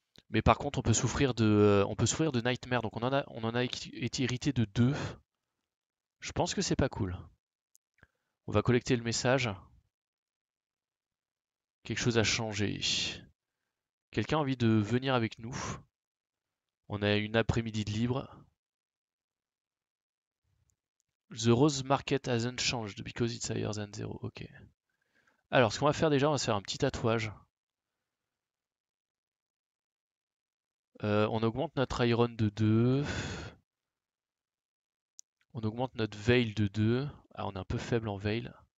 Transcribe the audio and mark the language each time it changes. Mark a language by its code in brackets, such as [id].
[fr] Mais par contre, on peut souffrir de nightmare. Donc on en a été irrité de 2. Je pense que c'est pas cool. On va collecter le message. Quelque chose a changé. Quelqu'un a envie de venir avec nous. On a une après-midi de libre. [en] The Rose Market hasn't changed because it's higher than zero. Ok. [fr] Alors, ce qu'on va faire déjà, on va se faire un petit tatouage. On augmente notre iron de 2. On augmente notre veil de 2. Ah, on est un peu faible en veil.